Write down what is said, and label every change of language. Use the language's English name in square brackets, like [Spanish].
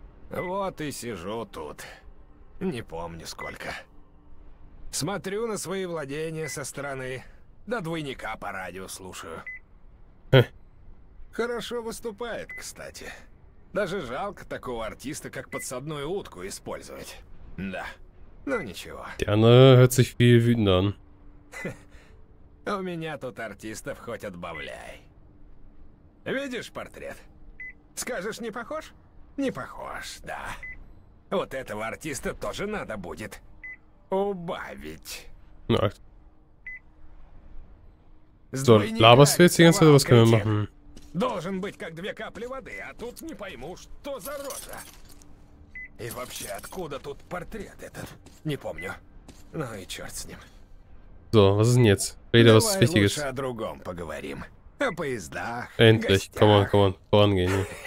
[Russian] Вот и сижу тут. Не помню сколько. Смотрю на свои владения со стороны. До двойника по радио слушаю. Хорошо выступает, кстати. Даже жалко такого артиста, как подсадную утку использовать. Да. Ну ничего. Она [German] hört sich viel wütend an. [Russian] У меня тут артистов хоть отбавляй. Видишь портрет? Скажешь, не похож? Не похож, да. Вот этого артиста тоже надо будет убавить. [German] Ну, so, laberst du jetzt die ganze Zeit, was können wir machen? [Russian] Должен быть как две капли воды, а тут не пойму, что за рожа. И вообще, откуда тут портрет этот? Не помню. Ну и черт с ним. [German] So, was ist denn jetzt? Rede was Wichtiges. [Russian] Давай лучше о другом поговорим. О поездах. [German] Endlich, [English] come on, come on. [German] Vorangehen.